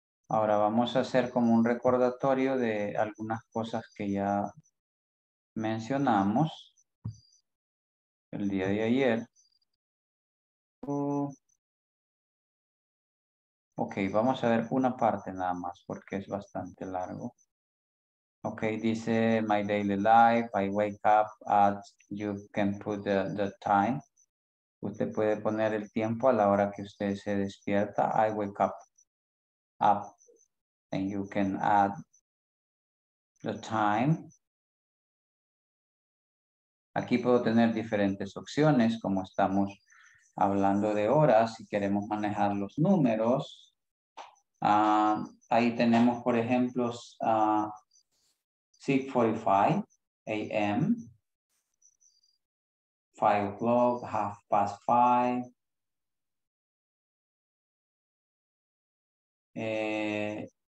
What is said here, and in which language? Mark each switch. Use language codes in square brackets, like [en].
[es] Ahora vamos a hacer como un recordatorio de algunas cosas que ya mencionamos el día de ayer. Ok, vamos a ver una parte nada más porque es bastante largo. [en] Okay, dice my daily life. I wake up at, you can put the time. [es] Usted puede poner el tiempo a la hora que usted se despierta. [en] I wake up and you can add the time. [es] Aquí puedo tener diferentes opciones, como estamos hablando de horas, si queremos manejar los números. Ahí tenemos, por ejemplo, 6:45 a.m., 5 o'clock, 5:30.